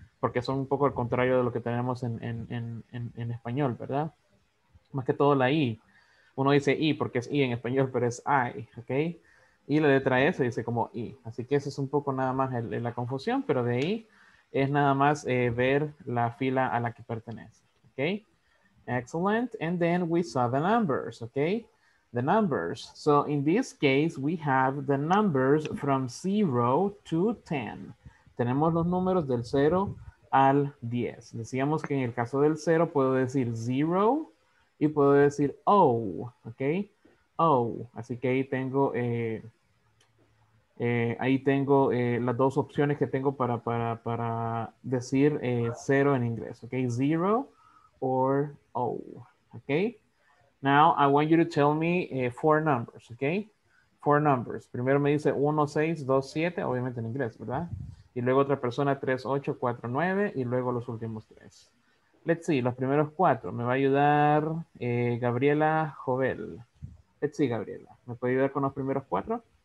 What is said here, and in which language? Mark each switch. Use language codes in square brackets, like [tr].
[es] Porque son un poco al contrario de lo que tenemos en español, ¿verdad? Más que todo la I. Uno dice I porque es I en español, pero es I, ¿ok? Y la letra S dice como I. Así que eso es un poco nada más la confusión, pero de ahí es nada más ver la fila a la que pertenece, ¿ok? [en] Excellent. And then we saw the numbers, okay? The numbers. So in this case, we have the numbers from 0 to 10. [es] Tenemos los números del 0 al 10. Decíamos que en el caso del 0 puedo decir 0 y puedo decir O, okay? O. Así que ahí tengo, las dos opciones que tengo para decir 0 en inglés, okay? [en] 0 or O, okay? Now, I want you to tell me four numbers, okay? Four numbers. [es] Primero me dice 1, 6, 2, 7, obviamente en inglés, ¿verdad? Y luego otra persona 3, 8, 4, 9, y luego los últimos tres. [en] Let's see, [es] los primeros cuatro. Me va a ayudar Gabriela Jovel. Let's see, Gabriela. ¿Me puede ayudar con los primeros cuatro?